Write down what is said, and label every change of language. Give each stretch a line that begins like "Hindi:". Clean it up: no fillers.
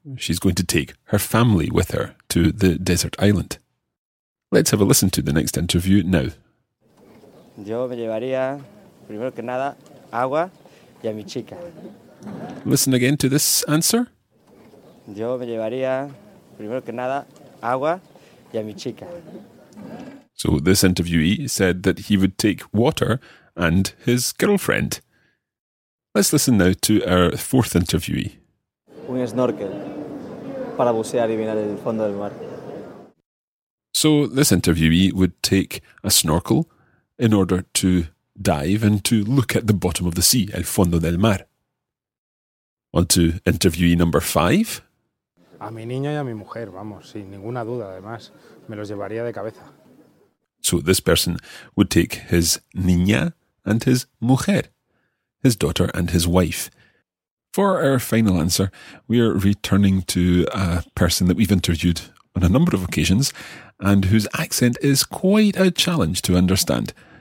English: She's going to take her family with her to the desert island. Let's have a listen to the next interview now.
Spanish: Yo me llevaría, primero que nada, agua y a mi chica.
English: Listen again to this answer.
Spanish: Yo me llevaría, primero que nada, agua y a mi chica.
English: So this interviewee said that he would take water and his girlfriend. Let's listen now to our fourth interviewee.
Spanish: Un snorkel para bucear y mirar el fondo del mar.
English: So this interviewee would take a snorkel in order to dive and to look at the bottom of the sea,
Spanish: el fondo del mar.
English: On to interviewee number 5.
Spanish: A mi niño y a mi mujer, vamos, sin ninguna duda, además, me los llevaría de cabeza.
English: So this person would take his niña and his mujer, his daughter and his wife. For our final answer, we are returning to a person that we've interviewed on a number of occasions and whose accent is quite a challenge to understand.